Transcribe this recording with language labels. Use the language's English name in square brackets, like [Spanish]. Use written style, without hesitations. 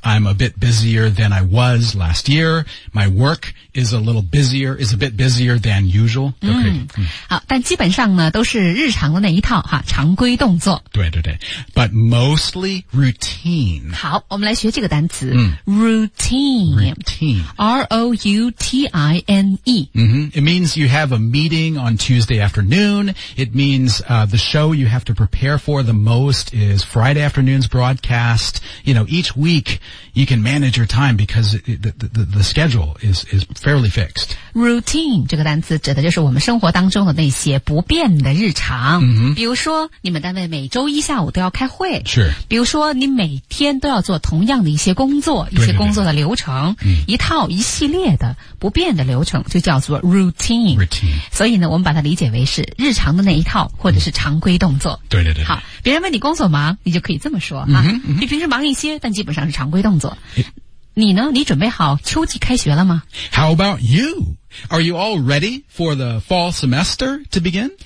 [English] I'm a bit busier than I was last year. My work is a little busier, is a bit busier than usual. 嗯。 [Chinese] 嗯好但基本上呢都是日常的那一套哈常规动作。对对对。 [English] But mostly routine. [Chinese] 好我们来学这个单词。嗯、 [English] Routine. Mm-hmm. It means you have a meeting on Tuesday afternoon. It means, the show you have to prepare for the most is Friday afternoon's broadcast. You know, each week you can manage your time because the schedule is fairly fixed. [Chinese] Routine, 这个单词指的就是我们生活当中的那些不变的日常。 Mm-hmm. 比如说你们单位每周一下午都要开会。是。比如说你每天都要做同样的一些工作一些工作的流程。嗯、一套一系列的不变的流程就叫做 routine, [English] routine [Chinese] 所以呢我们把它理解为是日常的那一套或者是常规动作、嗯、对对对好别人问你工作忙你就可以这么说、嗯哼嗯、你平时忙一些但基本上是常规动作你呢你准备好秋季开学了吗 [English] How about you? Are you all ready for the fall semester to begin?